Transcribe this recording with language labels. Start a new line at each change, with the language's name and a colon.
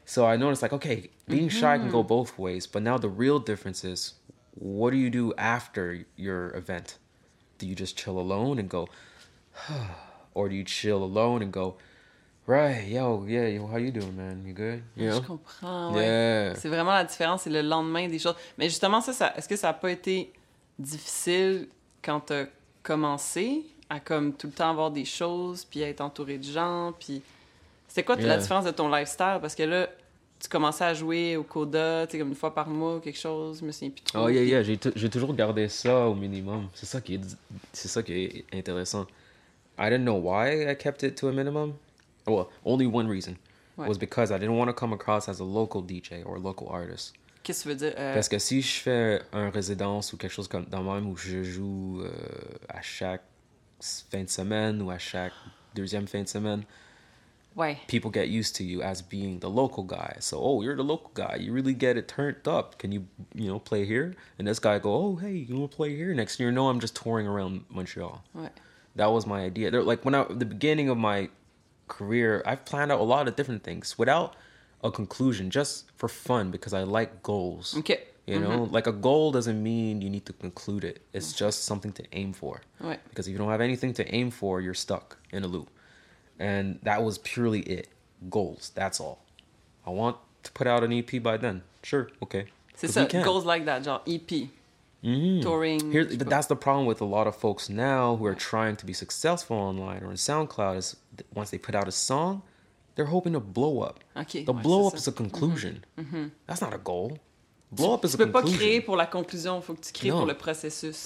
English: So I noticed, like, okay, being shy can go both ways. But now the real difference is, what do you do after your event? Do you just chill alone and go, or do you chill alone and go, right, yo, how you doing, man? You good? You
French: know? Je comprends. Ouais. Yeah. C'est vraiment la différence, c'est le lendemain des choses. Mais justement, ça, est-ce que ça a pas été difficile quand t'as commencé? À comme tout le temps avoir des choses, puis être entouré de gens, puis... C'était quoi la différence de ton lifestyle? Parce que là, tu commençais à jouer au Coda, tu sais, comme une fois par mois ou quelque chose, mais c'est plus trop. J'ai toujours gardé ça au minimum. C'est ça qui est intéressant.
English: I didn't know why I kept it to a minimum. Well, only one reason. Ouais. Was because I didn't want to come across as a local DJ or a local artist.
French: Qu'est-ce que tu veux dire? Parce que si je fais un résidence ou quelque chose comme dans même où je joue à chaque fin de semaine ou à chaque deuxième fin de semaine, ouais.
English: People get used to you as being the local guy. So, oh, you're the local guy. You really get it turned up. Can you, you know, play here? And this guy go, oh, hey, you want to play here? Next thing you know, I'm just touring around Montreal. Ouais. That was my idea. They're like, the beginning of my career, I've planned out a lot of different things without a conclusion, just for fun, because I like goals. Okay. You know, like a goal doesn't mean you need to conclude it. It's just something to aim for. Right. Because if you don't have anything to aim for, you're stuck in a loop. And that was purely it. Goals, that's all. I want to put out an EP by then. Sure, okay.
French: C'est ça,
English: goals like that, genre EP. Touring. But that's the problem with a lot of folks now who are trying to be successful online or in SoundCloud is once they put out a song, they're hoping to blow up. Okay. The blow up is a conclusion. That's not a goal. Blow up is a conclusion.
French: Tu peux pas créer pour la conclusion, faut que tu crées pour le processus.